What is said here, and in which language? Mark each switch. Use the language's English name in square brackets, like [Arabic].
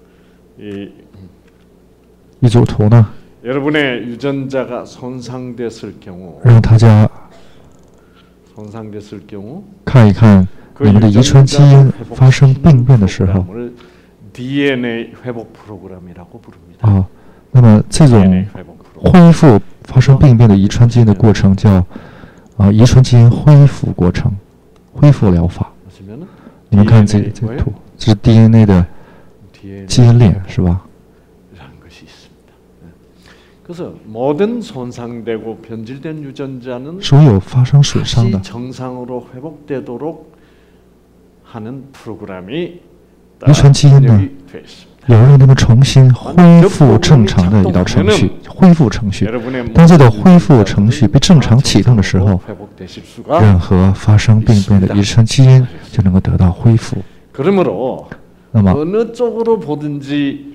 [Chinese] 那么程序呢，是用那些能够预见未来的存在，才能编写好程序。那么维持生命的生命程序，只有创造生命的生命主宰才能为我们编写。那么我通过下面一组图呢。 [Korean] 여러분의 유전자가 손상됐을 경우, [Chinese] 让大家 [Korean] 손상됐을 경우, [Chinese] 看一看你们的遗传基因发生病变的时候， [Korean] DNA 회복 프로그램이라고 부릅니다. [Chinese] 아, 那么这种恢复发生病变的遗传基因的过程叫遗传基因恢复过程，恢复疗法。你们看这图，这是 DNA 的基因链，是吧？ [Korean] 그래서 모든 손상되고 변질된 유전자는 [Chinese] 所有发生损伤的 [Korean] 다시 정상으로 회복되도록 하는 프로그램이 [Chinese] 유전基因呢 有人能够重新恢复正常的一道程序，恢复程序。当这个恢复程序被正常启动的时候，任何发生病变的遗传基因就能够得到恢复。 [Korean] 그러므로 어느 쪽으로 보든지